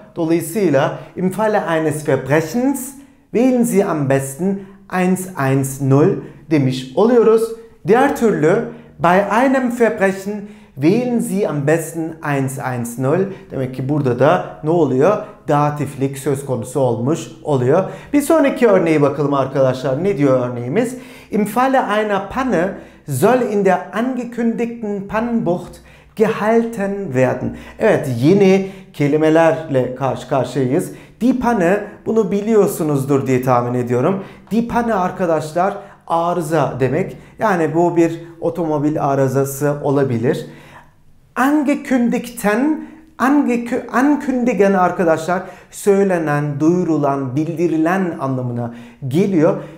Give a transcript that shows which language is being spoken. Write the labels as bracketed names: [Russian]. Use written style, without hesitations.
[Turkish] Dolayısıyla [German] im Falle eines Verbrechens wählen Sie am besten 110 [Turkish] demiş oluyoruz. Diğer türlü [German] bei einem Verbrechen Wählen Sie am besten 110. [Turkish] Demek ki burada da ne oluyor? Datiflik söz konusu olmuş oluyor. Bir sonraki örneğe bakalım arkadaşlar. Ne diyor örneğimiz? [German] Im Falle einer Panne soll in der angekündigten Pannenbucht gehalten werden. [Turkish] Evet, yeni kelimelerle karşı karşıyayız. Die Panne, bunu biliyorsunuzdur diye tahmin ediyorum. Die Panne arkadaşlar arıza demek. Yani bu bir otomobil arızası olabilir. Angekündigten, ankündigen arkadaşlar söylenen, duyurulan, bildirilen anlamına geliyor.